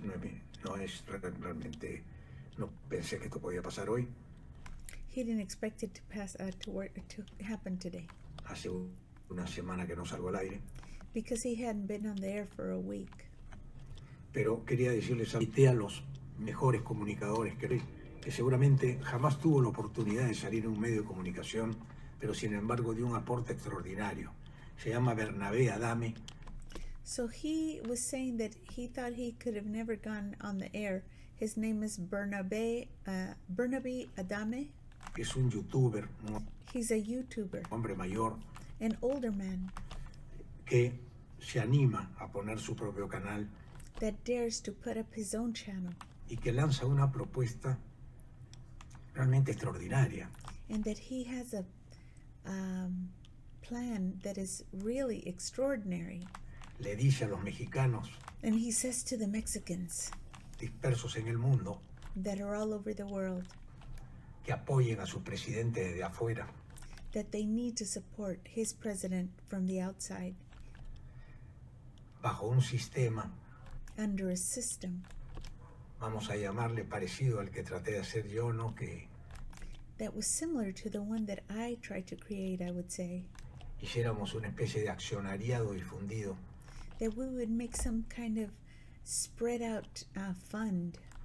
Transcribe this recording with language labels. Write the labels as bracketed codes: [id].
[es] No es realmente, no pensé que esto podía pasar hoy. [en] He didn't expect it to pass to happen today. [es] Hace una semana que no salgo al aire. [en] Because he hadn't been on the air for a week. [es] Pero quería decirles, invité a los mejores comunicadores que él, que seguramente jamás tuvo la oportunidad de salir en un medio de comunicación, pero sin embargo dio un aporte extraordinario. Se llama Bernabé Adame. [en] So he was saying that he thought he could have never gone on the air. His name is Bernabé, Bernabé Adame. [es] Es un youtuber. [en] He's a youtuber. [es] Hombre mayor. [en] An older man. [es] Que se anima a poner su propio canal. [en] That dares to put up his own channel. [es] Y que lanza una propuesta realmente extraordinaria. [en] And that he has a plan that is really extraordinary. [es] Le dice a los mexicanos. [en] And he says to the Mexicans. [es] Dispersos en el mundo. [en] That are all over the world. [es] Que apoyen a su presidente desde afuera. [en] That they need to support his president from the outside. [es] Bajo un sistema. [en] Under a system. [es] Vamos a llamarle parecido al que traté de hacer yo, ¿no? Que [en] that was similar to the one that I tried to create, I would say. [es] Hiciéramos una especie de accionariado difundido. [en] That we would make some kind of spread out fund.